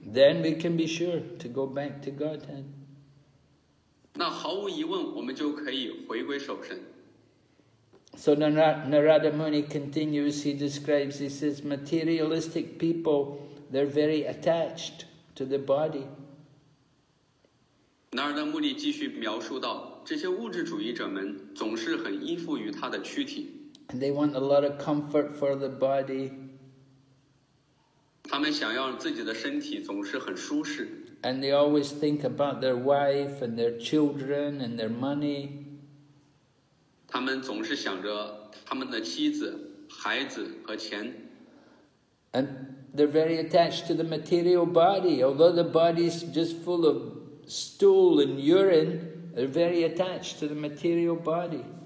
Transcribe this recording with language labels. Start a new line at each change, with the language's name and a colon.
English: Then we can be sure to go back to Godhead.
Chinese: 那毫无疑问，我们就可以回归守身。
English: So Narada Muni continues. He describes. He says, materialistic people, they're very attached to the body.
Chinese: Narada Muni 继续描述道，这些物质主义者们总是很依附于他的躯体。
English: They want a lot of comfort for the body.
Chinese: 他们想要自己的身体总是很舒适。
English: And they always think about their wife and their children and their money.
Chinese: 他们总是想着他们的妻子、孩子和钱。
English: And they're very attached to the material body. Although the body is just full of stool and urine, they're very attached to the material body.